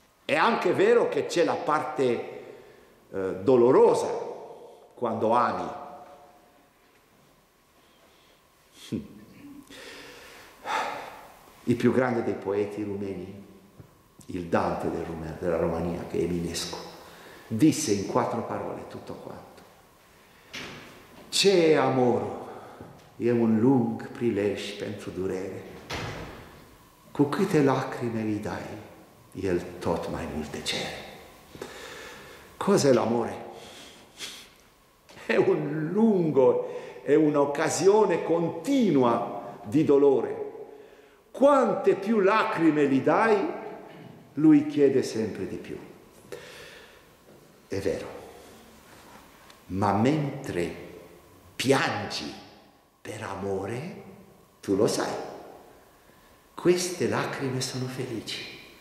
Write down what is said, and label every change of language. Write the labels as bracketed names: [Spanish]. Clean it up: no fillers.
[Italian] È anche vero che c'è la parte dolorosa quando ami. Il più grande dei poeti rumeni, il Dante della Romania, che è Eminescu, disse in quattro parole tutto quanto. [Romanian] C'è amor, e un lung prilej pentru durere, cu câte lacrime li dai, el tot mai multe cere. [Italian] Cos'è l'amore? È un lungo, è un'occasione continua di dolore. Quante più lacrime gli dai, lui chiede sempre di più. È vero, ma mentre piangi per amore, tu lo sai, queste lacrime sono felici.